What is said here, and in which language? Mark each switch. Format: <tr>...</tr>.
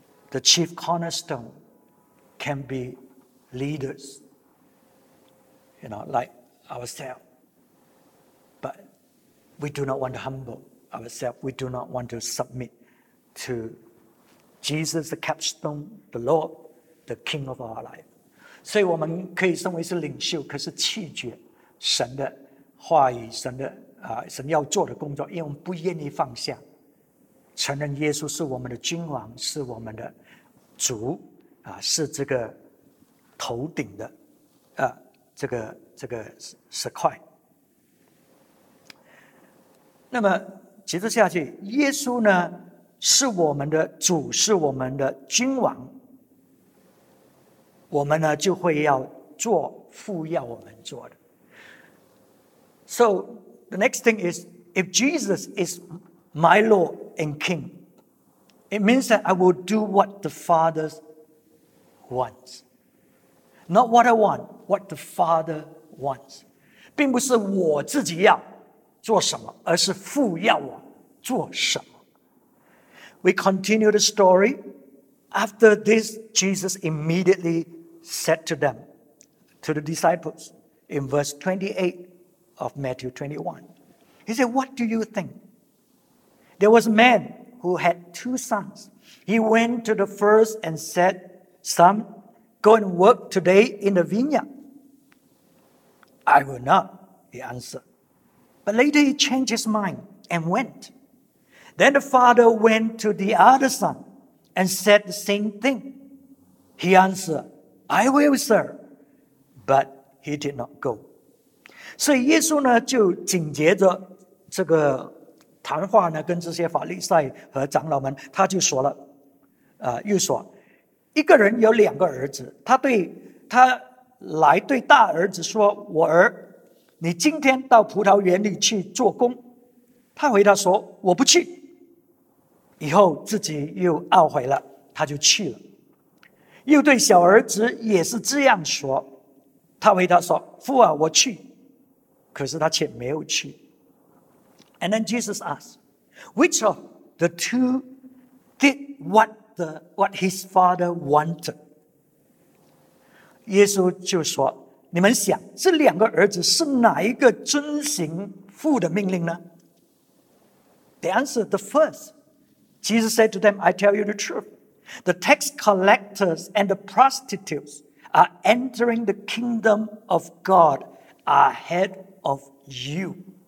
<en>The chief cornerstone can be leaders, you know, like ourselves. But we do not want to humble ourselves. We do not want to submit to Jesus, the capstone, the Lord, the King of our life.</en> <zh>所以我们可以身为是领袖，可是拒绝神的话语，神要做的工作，因为我们不愿意放下，承认耶稣是我们的君王，是我们的主，是这个头顶的，这个石块。那么接着下去，耶稣呢，是我们的主，是我们的君王。我们呢就会要做父要我们做的。</zh> <en>So the next thing is, if Jesus is my Lord and King, it means that I will do what the Father wants, not what I want, what the Father wants.</en> <zh>并不是我自己要做什么，而是父要我做什么。</zh> <en>We continue the story. After this, Jesus immediately. Said to them, to the disciples, in verse 28 of Matthew 21. He said, what do you think? There was a man who had two sons. He went to the first and said, son, go and work today in the vineyard. I will not, he answered. But later he changed his mind and went. Then the father went to the other son and said the same thing. He answered,I will, sir, but he did not go.</en> <zh>所以耶稣呢，就紧接着这个谈话呢，跟这些法利赛和长老们，他就说了，又说，一个人有两个儿子，他对大儿子说，我儿，你今天到葡萄园里去做工。他回答说，我不去。以后自己又懊悔了，他就去了。又对小儿子也是这样说，他回答说，父啊，我去，可是他却没有去。</zh> <en>And then Jesus asked, which of the two did what his father wanted?</en> <zh>耶稣就说，你们想，这两个儿子是哪一个遵行父的命令呢？</zh> <en>The answer, the first. Jesus said to them, I tell you the truth. The tax collectors and the prostitutes are entering the kingdom of God ahead of you.</en>